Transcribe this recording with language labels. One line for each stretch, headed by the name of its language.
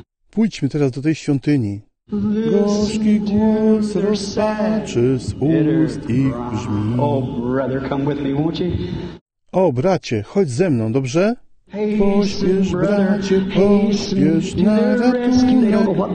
Polish: Pójdźmy teraz do tej świątyni. Gorzki głos rozpaczy z ust ich brzmi.
English: Oh, brother, come with me, won't you?
Polish: O, bracie, chodź ze mną, dobrze? Pośpiesz, bracie, pośpiesz na ratunek.